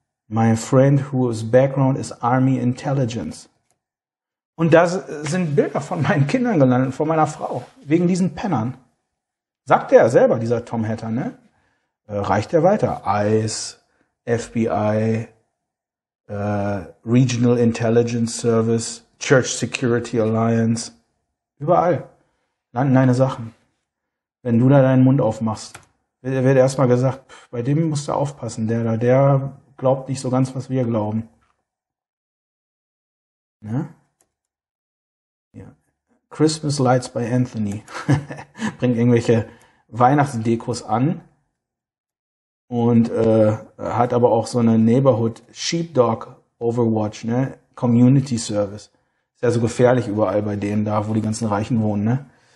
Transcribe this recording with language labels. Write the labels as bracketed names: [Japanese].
[English] My friend whose background is Army Intelligence. [German] Und da sind Bilder von meinen Kindern gelandet, von meiner Frau, wegen diesen Pennern. Sagt er selber, dieser Tom Hatter, ne? Reicht er weiter? [English] ICE, FBI, Regional Intelligence Service, Church Security Alliance. [German] Überall landen deine Sachen. Wenn du da deinen Mund aufmachst, wird erstmal gesagt, bei dem musst du aufpassen. Der glaubt nicht so ganz, was wir glauben. Ne? Ja. [English] Christmas Lights by Anthony. [German] Bringt irgendwelche Weihnachtsdekos an. Und hat aber auch so eine Neighborhood Sheepdog Overwatch, ne? Community Service. Ist ja so gefährlich überall bei denen da, wo die ganzen Reichen wohnen, ne?